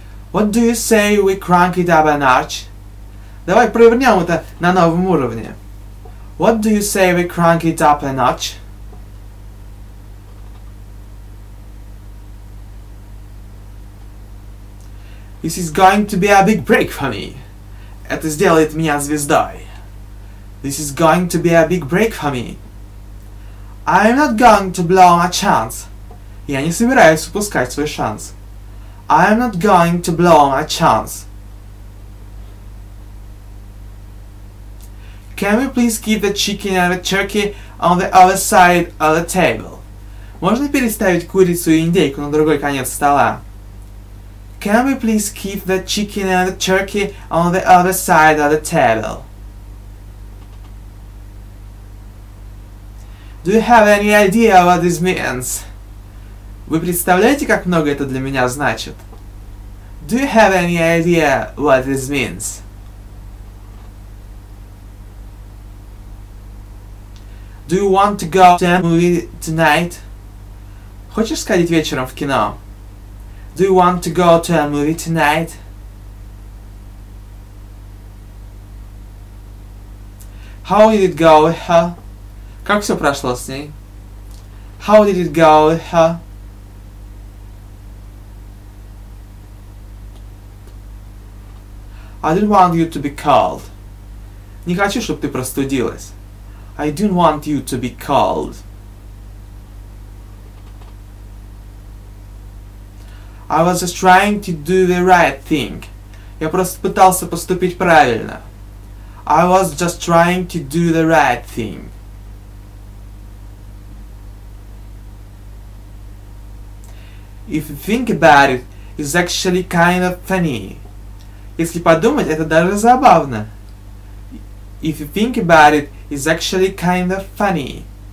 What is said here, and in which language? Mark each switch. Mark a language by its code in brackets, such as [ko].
[en] What do you say we crank it up a notch? [ru] Давай провернем это на новом уровне. [en] What do you say we crank it up a notch? This is going to be a big break for me. [ru] Это сделает меня звездой. [en] This is going to be a big break for me. I'm not going to blow my chance. [ru] Я не собираюсь упускать свой шанс. [en] I'm not going to blow my chance. Can we please keep the chicken and the turkey on the other side of the table? [ru] Можно переставить курицу и индейку на другой конец стола? [en] Can we please keep the chicken and the turkey on the other side of the table? Do you have any idea what this means? [ru] Вы представляете, как много это для меня значит? [en] Do you have any idea what this means? Do you want to go to a movie tonight? [ru] Хочешь сходить вечером в кино? [en] Do you want to go to a movie tonight? How did it go with her? [ru] Как все прошло с ней? [en] How did it go with her? I didn't want you to be cold. [ru] Не хочу, чтобы ты простудилась. [en] I didn't want you to be cold. I was just trying to do the right thing. [ru] Я просто пытался поступить правильно. [en] I was just trying to do the right thing. If you think about it, it's actually kind of funny. [ru] Если подумать, это даже забавно. [en] If you think about it, it's actually kind of funny.